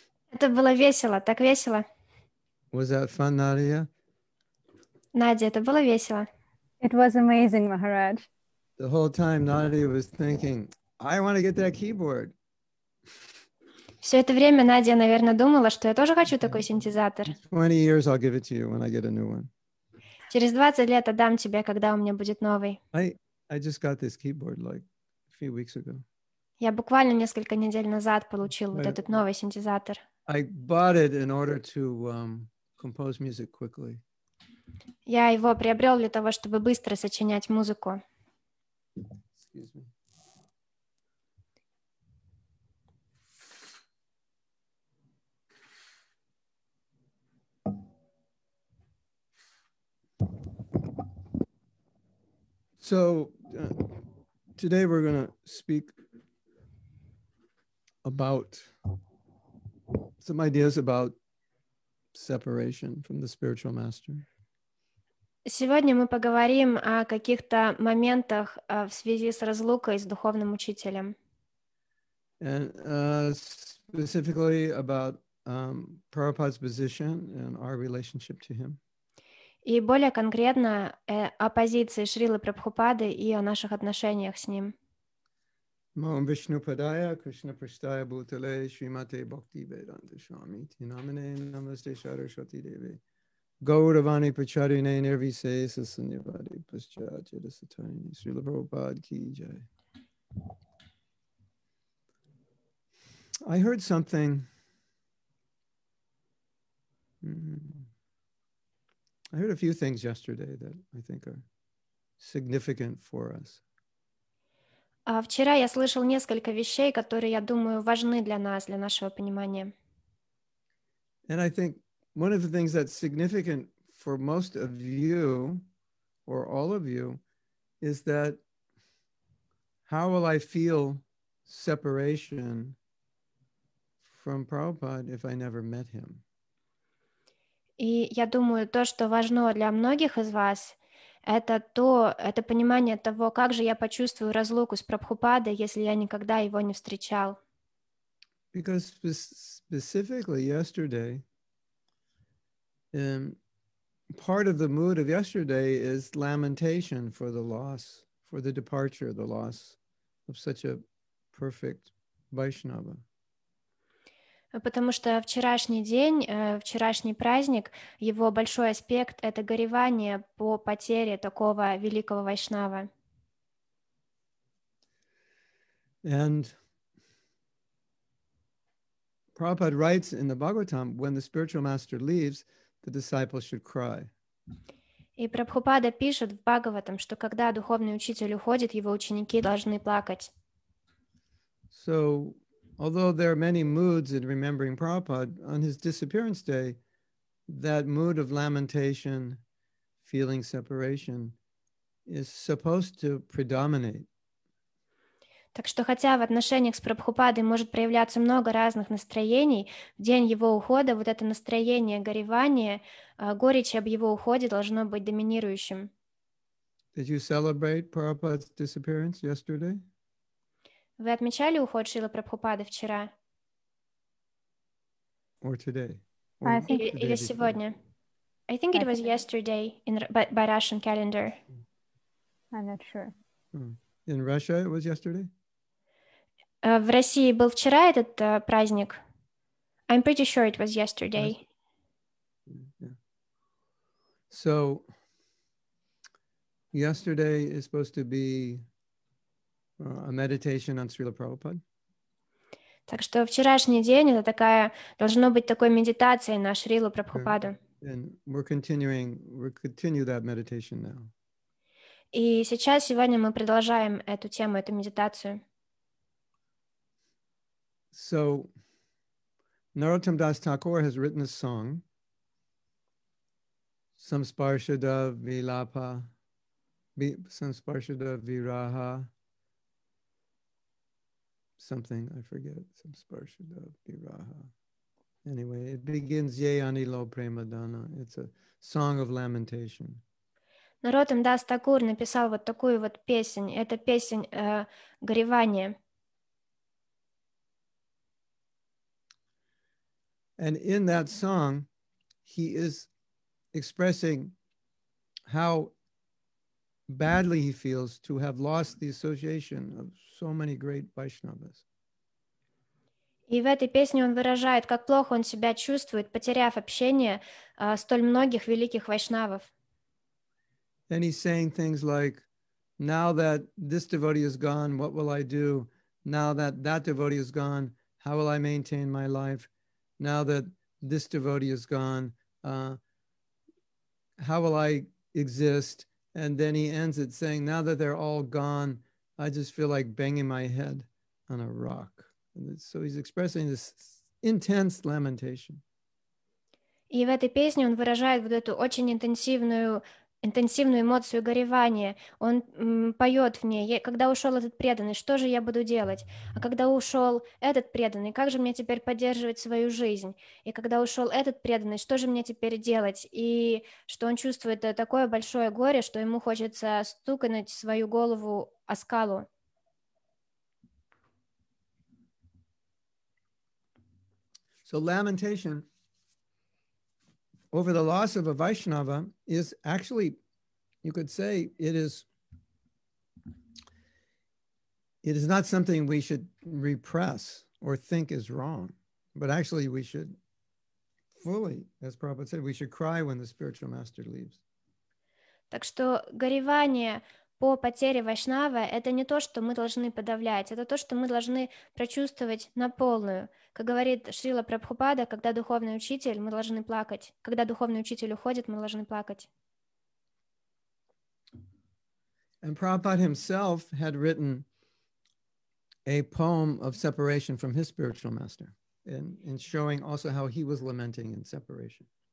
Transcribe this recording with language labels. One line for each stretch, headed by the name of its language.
Russian: Это было весело, так весело.
English: Was that fun, Nadia?
Russian: Nadia, это было весело.
English: It was amazing, Maharaj. The whole time Nadia was thinking, I want to get that keyboard.
Russian: Все это время Nadia, наверное, думала, что я тоже хочу такой синтезатор.
English: 20 years I'll give it to you when I get a new one.
Russian: Через 20 лет отдам тебе, когда у меня будет новый.
English: I just got this keyboard like a few weeks ago.
Russian: Я буквально несколько недель назад получил вот этот новый синтезатор.
English: I bought it in order to compose music quickly.
Russian: Я его приобрел для того, чтобы быстро сочинять музыку.
English: Excuse me. So today we're going to speak about some ideas about separation from the spiritual master.
Russian: Сегодня мы поговорим о каких-то моментах в связи с разлукой с духовным учителем.
English: And specifically about Prabhupada's position and our relationship to him.
Russian: И более конкретно о позиции Шрилы Прабхупады и о наших отношениях с ним.
Sanskrit: Maham Vishnu Padaya, Krishna Prashtaya Bhutale, Srimate Bhakti Vedanta Swami, Tinamane Namaste Saraswati Devi, Gauravani Pracharine Nirvise Sasanyavadi Pascha Chedasatani, Srila Prabhupada Ki Jai.
English: I heard something. I heard a few things yesterday that I think are significant for us.
Russian: Вчера я слышал несколько вещей, которые, я думаю, важны для нас, для нашего понимания.
English: And I think one of the things that's significant for most of you, or all of you, is that how will I feel separation from Prabhupada if I never met him?
Russian: И я думаю, то, что важно для многих из вас, Это понимание того, как же я почувствую разлуку с Прабхупадой, если я никогда его не встречал.
English: Because specifically yesterday, part of the mood of yesterday is lamentation for the loss, for the departure, the loss of such a perfect Vaishnava.
Russian: Потому что вчерашний день, вчерашний праздник, его большой аспект — это горевание по потере такого великого вайшнава.
English: And Prabhupada writes in the Bhagavatam, when the spiritual master leaves, the disciple should cry.
Russian: И Прабхупада пишет в Бхагаватам, что когда духовный учитель уходит, его ученики должны плакать.
English: So, although there are many moods in remembering Prabhupada, on his disappearance day, that mood of lamentation, feeling separation, is supposed to predominate.
Russian: Так что хотя в отношениях с Прабхупадой может проявляться много разных настроений, в день его ухода вот это настроение горевания, горечь об его уходе должно быть доминирующим.
English: Did you celebrate Prabhupada's disappearance yesterday?
Russian: Вы отмечали уход Шрилы Прабхупады вчера?
English: Or today?
Russian: Или сегодня?
English: I think it was yesterday in by Russian calendar. I'm not sure. In Russia it was yesterday?
Russian: В России был вчера этот праздник.
English: I'm pretty sure it was yesterday. So, yesterday is supposed to be a meditation on Srila Prabhupada.
Russian: Так что вчерашний день это такая должно быть такой медитацией на Шрилу Прабхупаду.
English: And we're continuing, we continue that meditation now.
Russian: И сейчас сегодня мы продолжаем эту тему, эту медитацию.
English: So, Narottam Das Thakur has written a song, Samsparshada Vilapa, Samsparshada Viraha, something, I forget, Samsparshada Viraha. Anyway, it begins,
Bangla: Ye Anilo Premadana,
English: it's a song of lamentation.
Russian: Narottam Das Thakur написал вот такую вот песень, это песень горевания.
English: And in that song, he is expressing how badly he feels to have lost the association of so many great Vaishnavas.
Russian: И в этой песне он выражает, как плохо он себя чувствует, потеряв общение столь многих великих вайшнавов.
English: And he's saying things like, now that this devotee is gone, what will I do? Now that that devotee is gone, how will I maintain my life? Now that this devotee is gone, how will I exist? And then he ends it saying, now that they're all gone, I just feel like banging my head on a rock. And so he's expressing this intense lamentation.
Russian: И в этой песне он выражает вот эту очень интенсивную эмоцию горевания. Он поет в ней, когда ушел этот преданный, что же я буду делать? А когда ушел этот преданный, как же мне теперь поддерживать свою жизнь? И когда ушел этот преданный, что же мне теперь делать? И что он чувствует такое большое горе, что ему хочется стукнуть свою голову о скалу.
English: So lamentation over the loss of a Vaishnava is actually, you could say, it is not something we should repress or think is wrong, but actually we should fully, as Prabhupada said, we should cry when the spiritual master leaves.
Russian: Так что горевание по потере Вайшнава – это не то, что мы должны подавлять, это то, что мы должны прочувствовать на полную. Как говорит Шрила Прабхупада, когда духовный учитель, мы должны плакать. Когда духовный учитель уходит, мы должны плакать.
English: And Prabhupada himself had written a poem of separation from his spiritual master and showing also how he was lamenting in separation.